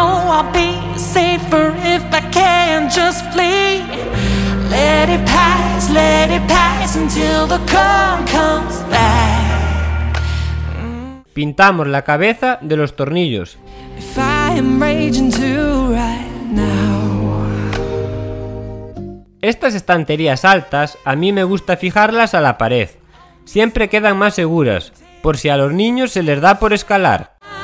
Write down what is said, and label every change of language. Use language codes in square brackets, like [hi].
[en] I'll be safer if I can just flee. Let it pass until the calm comes back. [es] Pintamos la cabeza de los tornillos. [en] If I am raging too right now. [es] Estas estanterías altas, a mí me gusta fijarlas a la pared. Siempre quedan más seguras, por si a los niños se les da por escalar.